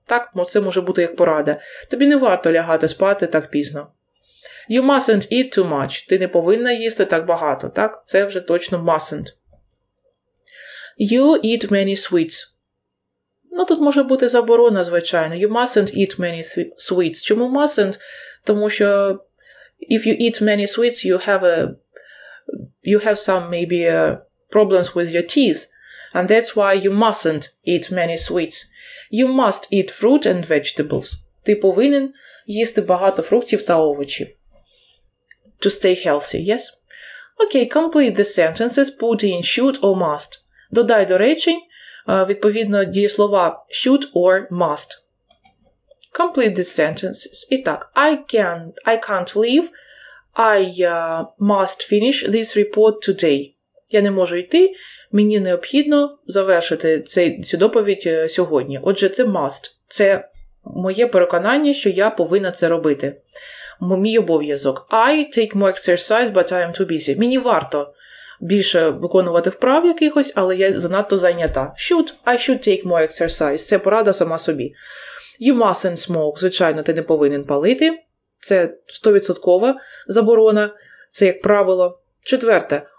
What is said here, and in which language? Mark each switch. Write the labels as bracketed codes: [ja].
[uk] Так, це може бути як порада. Тобі не варто лягати спати так пізно. [en] You mustn't eat too much. [uk] Ти не повинна їсти так багато, так? Це вже точно [en] mustn't. You eat many sweets. [uk] Ну, тут може бути заборона, звичайно. [en] You mustn't eat many sweets. [uk] Чому [en] mustn't? [uk] Тому що [en] if you eat many sweets, you have some problems with your teeth. And that's why you mustn't eat many sweets. You must eat fruit and vegetables. [uk] Ти повинен їсти багато фруктів та овочів. [en] To stay healthy, yes? Okay, complete the sentences. Put in should or must. [uk] Додай до речень. Відповідно, дієслова [en] should or must. Complete the sentences. [uk] І так, [en] I can't leave. I must finish this report today. [uk] Я не можу йти. Мені необхідно завершити цю доповідь сьогодні. Отже, це must. Це моє переконання, що я повинна це робити. Мій обов'язок. [en] I take more exercise, but I am too busy. [uk] Мені варто більше виконувати вправ якихось, але я занадто зайнята. [en] Should. I should take more exercise. [uk] Це порада сама собі. [en] You mustn't smoke. [uk] Звичайно, ти не повинен палити. Це 100% заборона. Це як правило. Четверте.